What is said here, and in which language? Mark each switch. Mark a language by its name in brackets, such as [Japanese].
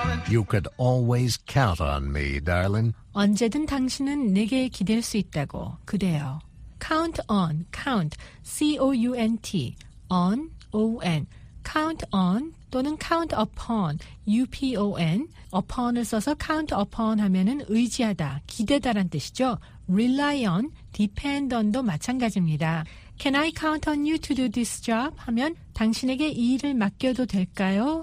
[English] You could always count on me, darling. [Korean] 언제든 당신은 내게 기댈 수 있다고, 그대여. [English] Count on, count, C-O-U-N-T, on, O-N. Count on 또는 count upon, U-P-O-N. [Korean] Upon을 써서 count upon 하면은 의지하다, 기대다란 뜻이죠. [English] Rely on, depend on [Korean] 도 마찬가지입니다. [English] Can I count on you to do this job? [Korean] 하면 당신에게 이 일을 맡겨도 될까요?